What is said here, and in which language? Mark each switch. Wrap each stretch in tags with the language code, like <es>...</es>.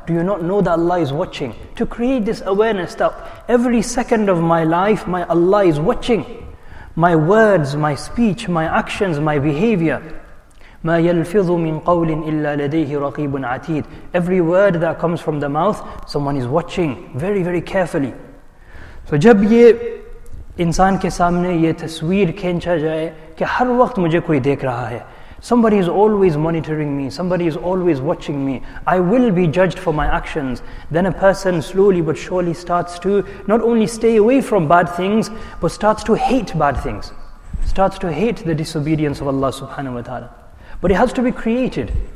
<en>Do you not know that Allah is watching? To create this awareness that every second of my life, my Allah is watching. My words, my speech, my actions, my behavior.</en> <ar>مَا يَلْفِظُ مِنْ قَوْلٍ إِلَّا لَدَيْهِ رَقِيبٌ عَتِيدٌ</ar> <en>Every word that comes from the mouth, someone is watching very, very carefully.</en> <ur>So, جَبْ انسان کے سامنے یہ تصویر کھینچا جائے کہ ہر وقت مجھے کوئی دیکھ رہا ہے</ur> <en>Somebody is always monitoring me. Somebody is always watching me. I will be judged for my actions. Then a person slowly but surely starts to not only stay away from bad things, but starts to hate bad things. Starts to hate the disobedience of Allah subhanahu wa ta'ala. But it has to be created.</en>